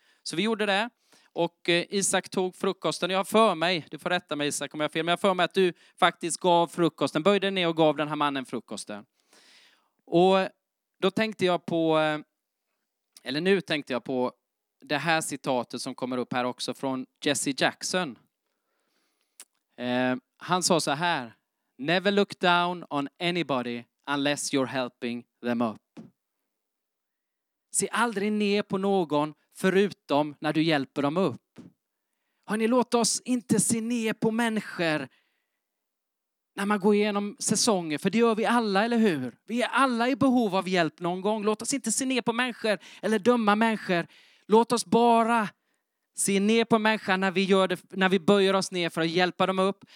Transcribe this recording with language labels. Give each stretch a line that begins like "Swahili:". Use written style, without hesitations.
Swedish: Så vi gjorde det och Isak tog frukosten. Jag har för mig, du får rätta mig Isak om jag har fel, men jag har för mig att du faktiskt gav frukosten, böjde ner och gav den här mannen frukosten. Och då tänkte jag på, eller nu tänkte jag på det här citatet som kommer upp här också från Jesse Jackson. Han sa så här.
English: Never look down on anybody unless you're helping them up.
Swedish: Se aldrig ner på någon förutom när du hjälper dem upp. Hörrni, låt oss inte se ner på människor när man går igenom säsonger. För det gör vi alla, eller hur? Vi är alla i behov av hjälp någon gång. Låt oss inte se ner på människor eller döma människor. Låt oss bara se ner på människor när vi gör det, när vi böjer oss ner för att hjälpa dem upp.